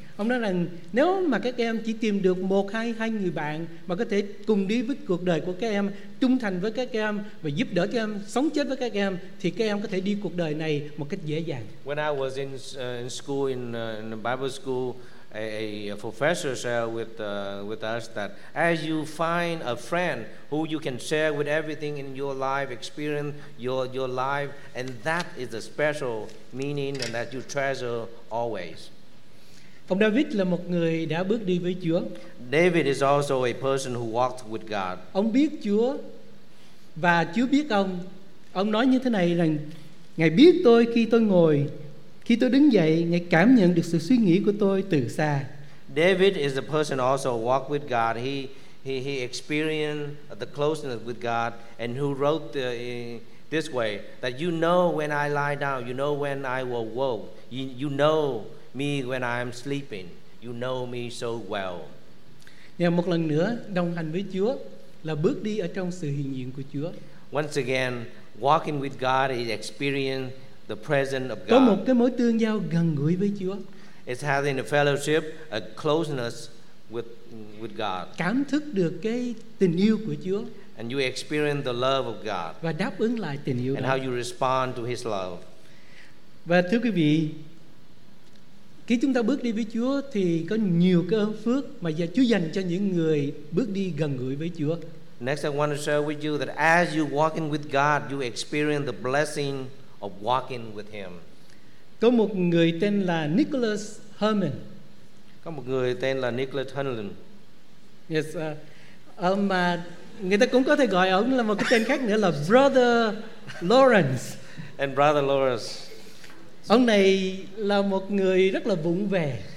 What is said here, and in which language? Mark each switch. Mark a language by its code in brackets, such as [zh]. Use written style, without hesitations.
[vi] Ông nói rằng nếu mà các em chỉ tìm được một hai người bạn mà có thể cùng đi với cuộc đời của các em, trung thành với các em và giúp đỡ các em sống chết với các em, thì các em có thể đi cuộc đời này một cách dễ dàng. [en] When I was in school in Bible school, a professor shared with us that as you find a friend who you can share with everything in your life, experience your life, and that is a special meaning and that you treasure always. [vi] Ông David là một người đã bước đi với Chúa. [en] David is also a person who walked with God. [vi] Ông biết Chúa và Chúa biết ông. Ông nói như thế này rằng Ngài biết tôi khi tôi ngồi, khi tôi đứng dậy, Ngài cảm nhận được sự suy nghĩ của tôi từ xa. [en] David is a person also walked with God. He experienced the closeness with God and who wrote this way that you know when I lie down, you know when I will woke. You know me when I'm sleeping. You know me so well. [vi] Và một lần nữa, đồng hành với Chúa là bước đi ở trong sự hiện diện của Chúa. [en] Once again, walking with God is experience the presence of God. [vi] Có một cái mối tương giao gần gũi với Chúa. [en] It's having a fellowship, a closeness with God. [vi] Cảm thức được cái tình yêu của Chúa. [en] And you experience the love of God. [vi] Và đáp ứng lại tình yêu. [en] And how you respond to his love. [vi] Và thưa quý vị, khi chúng ta bước đi với Chúa thì có nhiều cái ơn phước mà Chúa dành cho những người bước đi gần gũi với Chúa. [en] Next I want to share with you that as you walking with God, you experience the blessing of walking with him. [vi] Có một người tên là Nicholas Herman. Có một người tên là Nicholas Herman. Yes, mà người ta cũng có thể gọi ông là một cái tên khác nữa là Brother Lawrence. [en] And Brother Lawrence. [vi] Ông này là một người rất là vững vẻ.